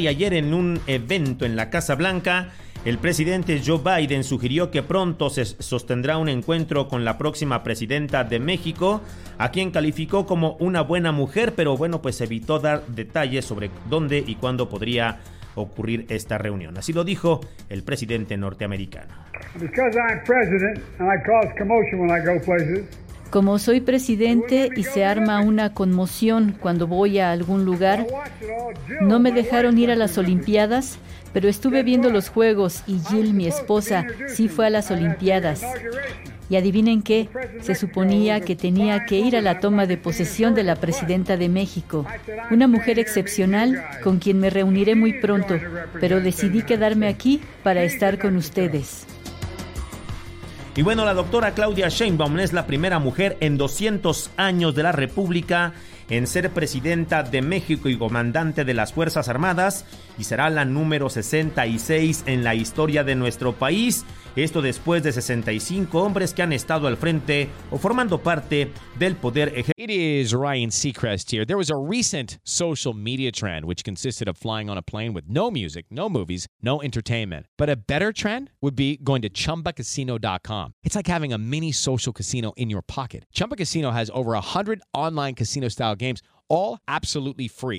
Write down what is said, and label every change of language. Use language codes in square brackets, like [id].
[es] Y ayer, en un evento en la Casa Blanca, el presidente Joe Biden sugirió que pronto se sostendrá un encuentro con la próxima presidenta de México, a quien calificó como una buena mujer, pero bueno, pues evitó dar detalles sobre dónde y cuándo podría ocurrir esta reunión. Así lo dijo el presidente norteamericano. [en] Because I'm president and I cause commotion when I go places. [es] Como soy presidente y se arma una conmoción cuando voy a algún lugar, no me dejaron ir a las Olimpiadas, pero estuve viendo los juegos y Jill, mi esposa, sí fue a las Olimpiadas. Y adivinen qué, se suponía que tenía que ir a la toma de posesión de la presidenta de México, una mujer excepcional con quien me reuniré muy pronto, pero decidí quedarme aquí para estar con ustedes. Y bueno, la doctora Claudia Sheinbaum es la primera mujer en 200 años de la República en ser presidenta de México y comandante de las Fuerzas Armadas, y será la número 66 en la historia de nuestro país. Esto después de 65 hombres que han estado al frente o formando parte del poder ejecutivo. [en] It is Ryan Seacrest here. There was a recent social media trend which consisted of flying on a plane with no music, no movies, no entertainment. But a better trend would be going to ChumbaCasino.com. It's like having a mini social casino in your pocket. Chumba Casino has over 100 online casino-style games, all absolutely free.